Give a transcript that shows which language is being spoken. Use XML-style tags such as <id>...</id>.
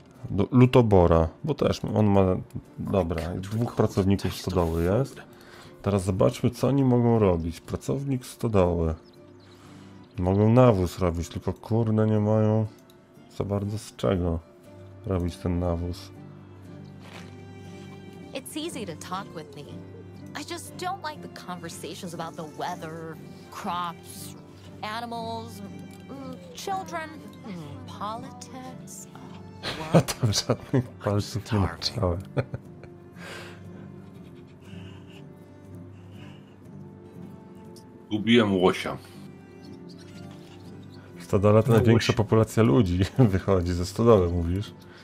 <pl>Do lutobora. Bo też on ma... Dobra, dwóch pracowników stodoły jest. Teraz zobaczmy, co oni mogą robić. Pracownik stodoły. Mogą nawóz robić, tylko kurde, nie mają za bardzo z czego robić ten nawóz.</pl> <en>It's easy to talk with me. I just don't like the conversations about the weather, crops, animals, children, politics.</en> <pl>A tam żadnych palców nie naczyłem. Ubiłem łosia. Stodola to największa populacja ludzi wychodzi ze stodoły, mówisz?</pl>